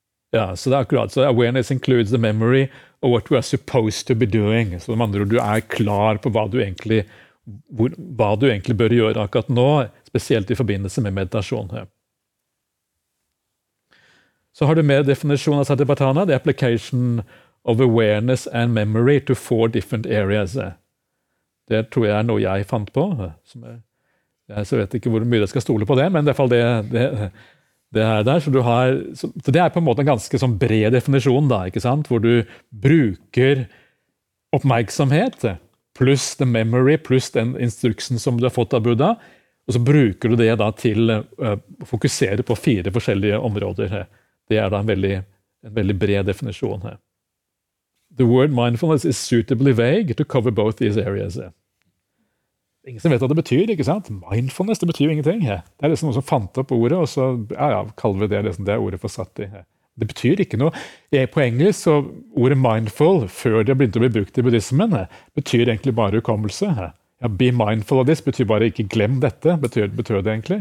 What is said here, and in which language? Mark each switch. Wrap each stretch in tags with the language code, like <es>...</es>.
<no>Ja, så det er akkurat så</no> <en>awareness includes the memory of what we are supposed to be doing.</en> <no>Så de andre, du er klar på hva du egentlig bør gjøre akkurat nå, spesielt i forbindelse med meditasjon. Så har du mer definisjon av satipatthana,</no> <en>the application of awareness and memory to four different areas.</en> <no>Det tror jeg er noe jeg fant på, som jeg vet ikke hvor mye jeg skal stole på det, men i hvert fall det er der, så det er på en måte en ganske sånn bred definisjon da, ikke sant? Hvor du bruker oppmerksomhet pluss the memory, pluss den instruksen som du har fått av Buddha, og så bruker du det da til å fokusere på fire forskjellige områder. Det er da en veldig bred definisjon her.</no> <en>The word mindfulness is suitably vague to cover both these areas.</en> <no>Ingen som vet hva det betyr, ikke sant? Mindfulness, det betyr jo ingenting. Det er liksom noe som fant opp ordet, og så ja, kaller vi det liksom det ordet for sati. Det betyr ikke noe. På engelsk, så ordet mindful, før det begynte å bli brukt i buddhismen, betyr egentlig bare hukommelse. Ja,</no> <en>be mindful of this</en> <no>betyr bare ikke glem dette, betyr det egentlig.</no>